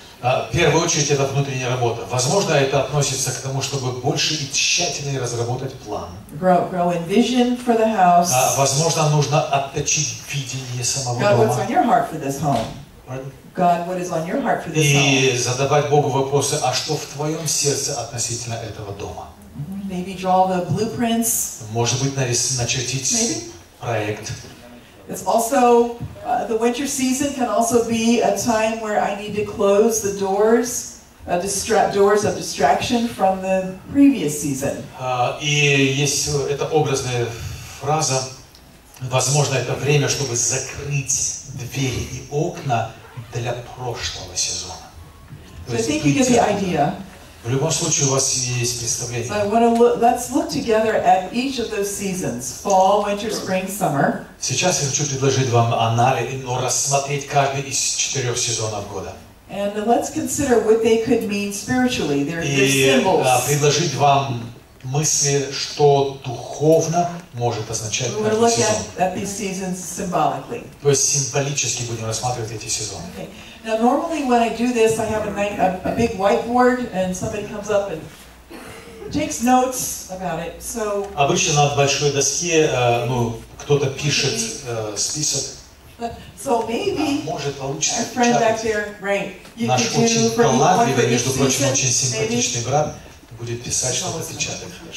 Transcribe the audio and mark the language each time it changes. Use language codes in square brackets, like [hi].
[ru] Возможно, в первую очередь, это внутренняя работа. Возможно, это относится к тому, чтобы больше и тщательнее разработать план. [en] Grow in vision for the house. [ru] Возможно, нужно отточить видение самого [en] God, God, what's on your heart for this home? Pardon? God, what is on your heart for this [ru] и [en] home? [ru] И задавать Богу вопросы, а что в твоем сердце относительно этого дома? [en] Maybe draw the blueprints. [ru] Может быть, начертить [en] Maybe? [ru] Проект. [en] It's also the winter season can also be a time where I need to close the doors, doors of distraction from the previous season. [ru] И есть эта образная фраза. Возможно, это время, чтобы закрыть двери и окна для прошлого сезона. [en] So I think you get the idea. [ru] В любом случае, у вас есть представление. [en] So I want to let's look together at each of those seasons: fall, winter, spring, summer. [ru] Сейчас я хочу предложить вам анализ, но рассмотреть каждый из четырех сезонов года. [en] And let's consider what they could mean spiritually. They're symbols. [ru] И предложить вам мысли, что духовно может означать каждый сезон. [en] We're looking at these seasons symbolically. [ru] То есть символически будем рассматривать эти сезоны. [en] Okay. Now normally when I do this, I have a big whiteboard, and somebody comes up and takes notes about it. So [ru] обычно на большой доске, кто-то пишет список. [en] So maybe [ru] может получиться. [en] Our friend back there, right? [ru] Наш очень талантливый, между прочим, очень симпатичный брат будет писать что-то печатать.